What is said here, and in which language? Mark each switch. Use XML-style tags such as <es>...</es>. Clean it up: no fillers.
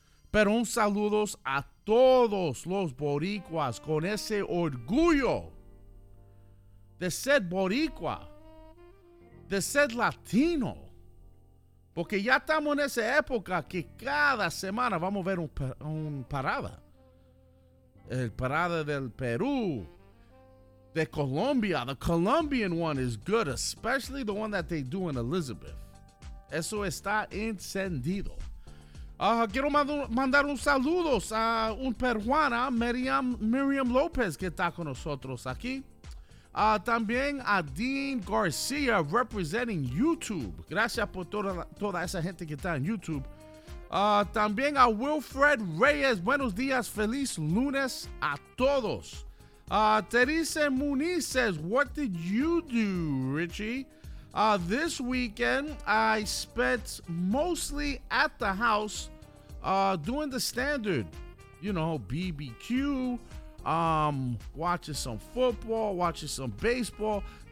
<es>Pero un saludos a todos los boricuas con ese orgullo de ser boricua, de ser latino. Porque ya estamos en esa época que cada semana vamos a ver un parada. El parada del Perú.</es> <en>The Colombia, the Colombian one is good, especially the one that they do in Elizabeth.</en> <es>Eso está encendido. Quiero mandar un saludo a un peruana, Miriam López, que está con nosotros aquí. También a Dean Garcia, representing YouTube. Gracias por toda esa gente que está en YouTube. También a Wilfred Reyes. Buenos días, feliz lunes a todos.</es> <en>Teresa Muniz says, what did you do, Richie? This weekend, I spent mostly at the house doing the standard, you know, BBQ, watching some football, watching some baseball.</en>